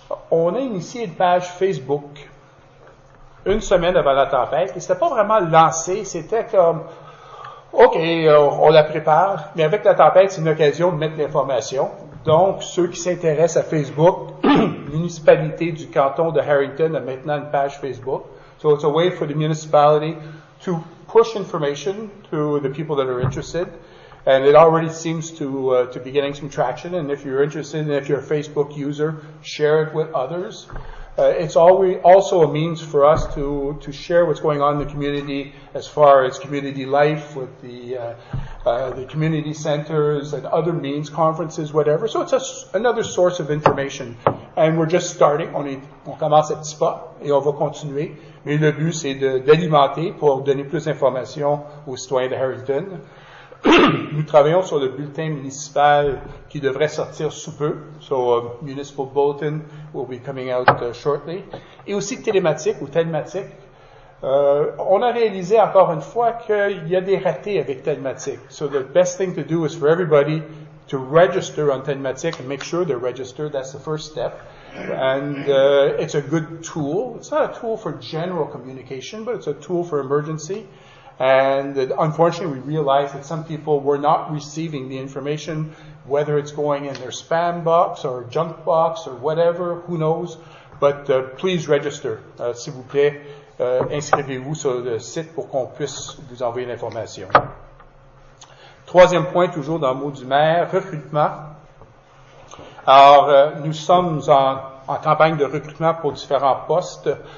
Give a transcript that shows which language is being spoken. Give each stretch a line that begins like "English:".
French: on a initié une page Facebook une semaine avant la tempête. Et c'était pas vraiment lancé, c'était comme, OK, on la prépare, mais avec la tempête, c'est une occasion de mettre l'information. Donc, ceux qui s'intéressent à Facebook, municipalité du canton de Harrington a maintenant une page Facebook.
English: So it's a way for the municipality to push information to the people that are interested. And it already seems to be getting some traction. And if you're interested, and if you're a Facebook user, share it with others. It's also a means for us to share what's going on in the community as far as community life with the community centers and other means, conferences, whatever. So it's another source of information. And we're just starting.
French: On commence à petit pas et on va continuer. Mais le but, c'est d'alimenter pour donner plus d'informations aux citoyens de Harrington. Nous travaillons sur le bulletin municipal qui devrait sortir sous peu.
English: So, municipal bulletin will be coming out shortly.
French: Et aussi télématique ou telmatique. On a réalisé encore une fois qu'il y a des ratés avec telmatique.
English: So, the best thing to do is for everybody to register on telmatique and make sure they're registered. That's the first step. And it's a good tool. It's not a tool for general communication, but it's a tool for emergency. And unfortunately, we realized that some people were not receiving the information, whether it's going in their spam box or junk box or whatever, who knows. But please register,
French: s'il vous plaît. Inscrivez-vous sur le site pour qu'on puisse vous envoyer l'information. Troisième point, toujours dans le mot du maire, recrutement. Alors, nous sommes en campagne de recrutement pour différents postes.